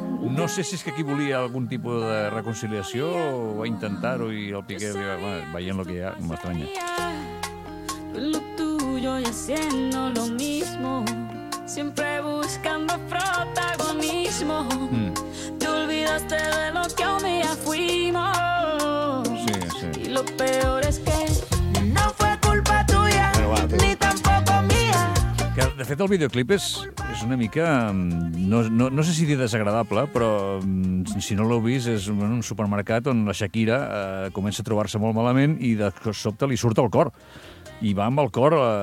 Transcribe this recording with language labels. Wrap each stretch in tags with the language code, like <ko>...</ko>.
<ca>No sé si és que aquí volia algun tipus de reconciliació o va intentar-ho i el Piqué va dir, veient el que hi ha, m'estranya.</ca> <es>Lo tuyo y haciendo lo mismo, siempre buscando protagonismo. Te olvidaste de lo que un día fuimos.</es> <ca>Sí, sí.</ca> <es>Y lo peor es que no fue culpa tuya,</es> <ca>bueno, va,</ca> <es>ni tampoco mía.</es> <ca>Que, de fet, el videoclip és una mica... No sé si dir desagradable, però si no l'heu vist, és en un supermercat on la Shakira comença a trobar-se molt malament i de sobte li surt el cor. I va amb el cor...</ca>